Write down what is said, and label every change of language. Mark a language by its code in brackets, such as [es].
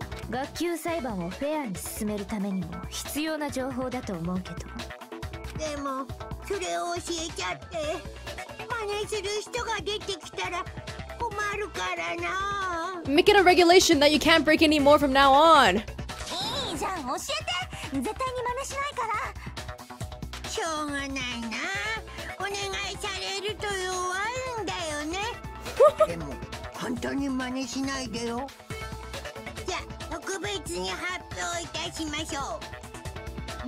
[ja] 学級裁判をフェアに進めるためにも必要な情報だと思うけど。でも、それを教えちゃって真似する人が出てきたら困るからな。 [en] Make it a regulation that you can't break any more from now on. [ja] いいじゃん、教えて。絶対に真似しないから。しょうがないな。お願いされると弱いんだよね。でも本当に真似しないでよ。じゃあ特別に発表いたしましょう。